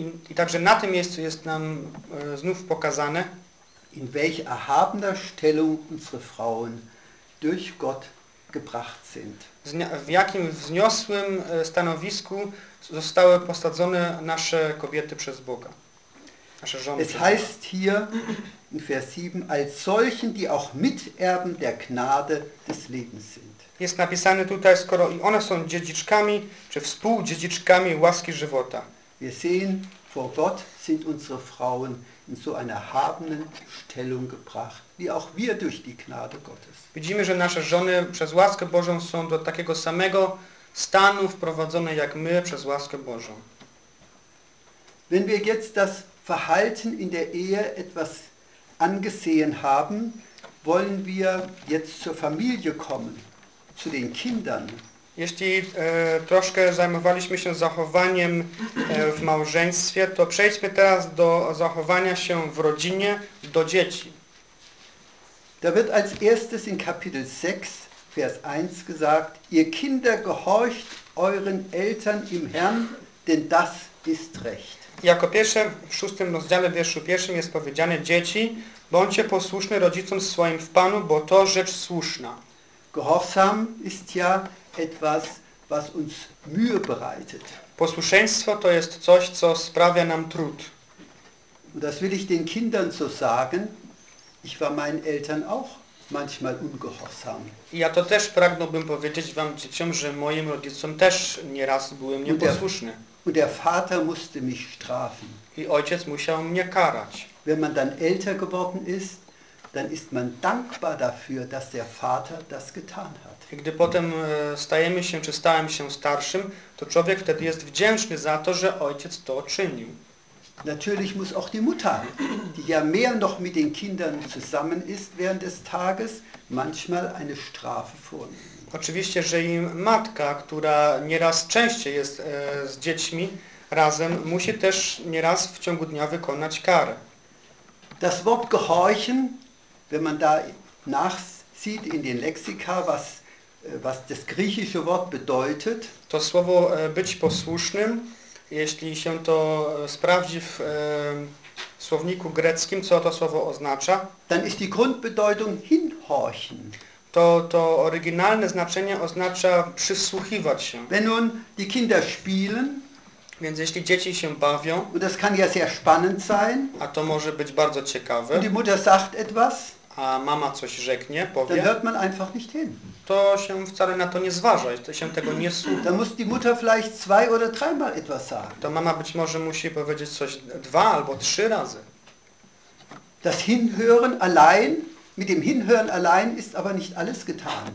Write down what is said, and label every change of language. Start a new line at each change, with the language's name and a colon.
Polish: i także na tym miejscu jest nam znów pokazane,
German: in welch erhabener Stellung unsere Frauen durch Gott gebracht sind.
Polish: W jakim wzniosłym stanowisku zostały posadzone nasze kobiety przez Boga. Nasze żony.
German: Es heißt hier in Vers 7, als solchen, die auch Miterben der Gnade des Lebens sind.
Polish: Jest napisane tutaj, skoro i one są dziedziczkami, czy współdziedziczkami łaski żywota.
German: Wir sehen, vor Gott sind unsere Frauen in so einer erhabenen Stellung gebracht, wie auch wir durch die Gnade Gottes.
Polish: Widzimy, że nasze żony przez łaskę Bożą są do takiego samego stanu wprowadzone jak my przez łaskę Bożą.
German: Wenn wir jetzt das Verhalten in der Ehe etwas angesehen haben, wollen wir jetzt zur Familie kommen, zu den Kindern.
Polish: Jeśli troszkę zajmowaliśmy się zachowaniem w małżeństwie, to przejdźmy teraz do zachowania się w rodzinie, do dzieci.
German: Da wird als erstes in Kapitel 6, Vers 1 gesagt: ihr Kinder, gehorcht euren Eltern im Herrn, denn das ist recht.
Polish: Jako pierwsze w 6 rozdziale wierszu 1 jest powiedziane: dzieci, bądźcie posłuszne rodzicom swoim w Panu, bo to rzecz słuszna.
German: Gehorsam ist ja etwas, was uns Mühe bereitet.
Polish: Posłuszeństwo to jest coś, co sprawia nam trud.
German: Und das will ich den Kindern so sagen. Ich war meinen Eltern auch manchmal ungehorsam.
Polish: Ja to też pragnąłbym powiedzieć wam, dzieciom, że moim rodzicom też nieraz byłem nieposłuszny.
German: Und der Vater musste mich strafen.
Polish: I ojciec musiał mnie karać.
German: Wenn man dann älter geworden ist, dann ist man dankbar dafür, dass der Vater das getan hat.
Polish: I gdy potem stajemy się, czy stałem się starszym, to człowiek wtedy jest wdzięczny za to, że ojciec to czynił.
German: Natürlich muss auch die Mutter, die ja mehr noch mit den Kindern zusammen ist während des Tages, manchmal eine Strafe vornehmen.
Polish: Oczywiście, że i matka, która nieraz częściej jest z dziećmi razem, musi też nieraz w ciągu dnia wykonać karę.
German: Das Wort gehorchen, wenn man da nachsieht in den Lexika, was das griechische Wort bedeutet.
Polish: To słowo być posłusznym, jeśli się to sprawdzi w słowniku greckim, co to słowo oznacza,
German: dann ist die Grundbedeutung hinhorchen.
Polish: To oryginalne znaczenie oznacza przysłuchiwać się.
German: Wenn nun die Kinder spielen,
Polish: więc jeśli dzieci się bawią,
German: und das kann ja sehr spannend sein,
Polish: a to może być bardzo ciekawe,
German: und die Mutter sagt etwas,
Polish: a mama coś rzeknie, powie,
German: dann hört man einfach nicht hin.
Polish: To się wcale na to nie zważa, to się tego nie słucha.
German: Dann muss die Mutter vielleicht zwei oder dreimal etwas sagen.
Polish: To mama być może musi powiedzieć coś dwa albo trzy razy.
German: Das Hinhören allein, mit dem Hinhören allein ist aber nicht alles getan.